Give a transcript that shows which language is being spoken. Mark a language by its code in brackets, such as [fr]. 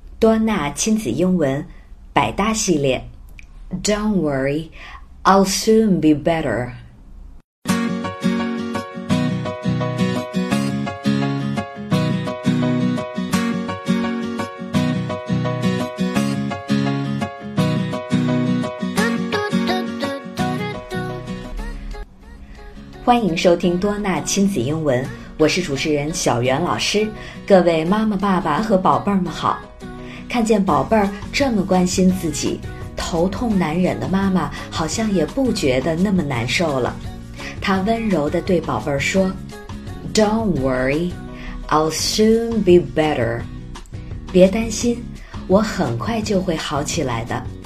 [zh] 多纳亲子英文百搭系列。 [en] Don't worry, I'll soon be better. [zh] 欢迎收听多纳亲子英文，我是主持人小袁老师。各位妈妈爸爸和宝贝儿们好，看见宝贝儿这么关心自己，头痛难忍的妈妈好像也不觉得那么难受了。她温柔地对宝贝儿说， [en] Don't worry, I'll soon be better. [zh] 别担心，我很快就会好起来的。